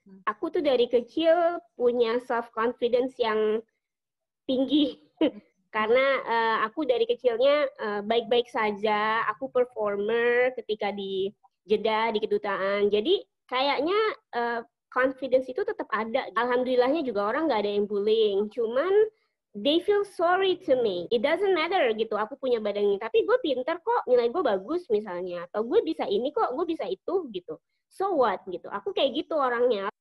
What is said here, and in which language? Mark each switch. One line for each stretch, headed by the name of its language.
Indonesian: Aku tuh dari kecil punya self-confidence yang tinggi. Karena aku dari kecilnya baik-baik saja, aku performer ketika di jeda, di kedutaan. Jadi kayaknya confidence itu tetap ada. Alhamdulillahnya juga orang nggak ada yang bullying. Cuman
English: they feel sorry to me. It doesn't matter
Indonesian: gitu, aku punya badan ini. Tapi gue pinter kok, nilai gue bagus misalnya. Atau gue bisa ini kok, gue bisa itu gitu.
English: So what
Indonesian: gitu, aku kayak gitu orangnya.